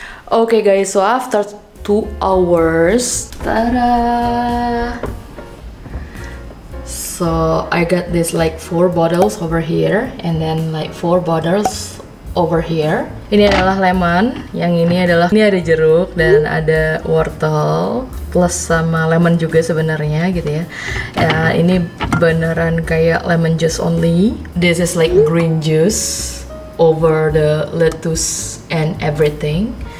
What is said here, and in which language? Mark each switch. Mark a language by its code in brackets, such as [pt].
[en] Okay guys, so after 2 hours, tada! So I got this like 4 bottles over here, and then like 4 bottles over here. [id] Ini adalah lemon, yang ini adalah, ini ada jeruk dan ada wortel plus sama lemon juga sebenarnya gitu ya. Ya ini beneran kayak [en] lemon juice only. This is like green juice over the lettuce and everything.